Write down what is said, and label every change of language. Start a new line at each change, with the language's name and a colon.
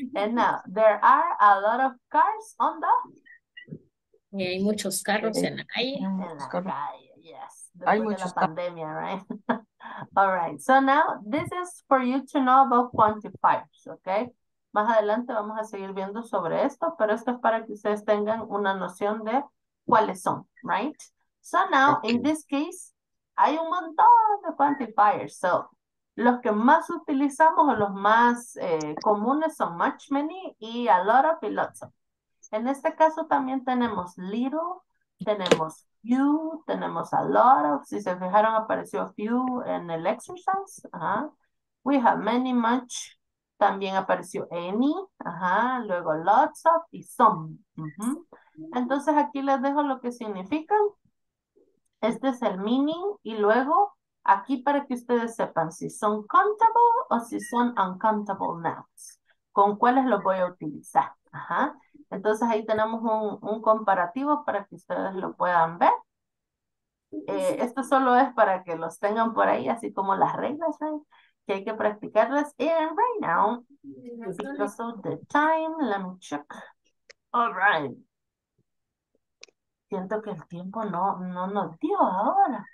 English: And now, there are a lot of cars on the...
Spanish: Y hay muchos carros en la calle. En la calle,
English: yes. Pandemia, right? All right, so now this is for you to know about quantifiers, okay?
Spanish: Más adelante vamos a seguir viendo sobre esto, pero esto es para que ustedes tengan una noción de cuáles son, right?
English: So now, okay. In this case,
Spanish: hay un montón de
English: quantifiers.
Spanish: So, los que más utilizamos o los más comunes son much, many, y a lot of, y lots of. En este caso también tenemos little, tenemos few, tenemos a lot of, si se fijaron apareció few en el exercise,
English: we have many, much,
Spanish: también apareció any, luego lots of y some, entonces aquí les dejo lo que significan, este es el meaning y luego aquí para que ustedes sepan si son countable o si son uncountable nouns, con cuáles los voy a utilizar, Entonces ahí tenemos un comparativo para que ustedes lo puedan ver. Esto solo es para que los tengan por ahí, así como las reglas, ¿sabes? Que hay que practicarlas.
English: And right now, because of the time, let me check. All right.
Spanish: Siento que el tiempo no nos dio ahora.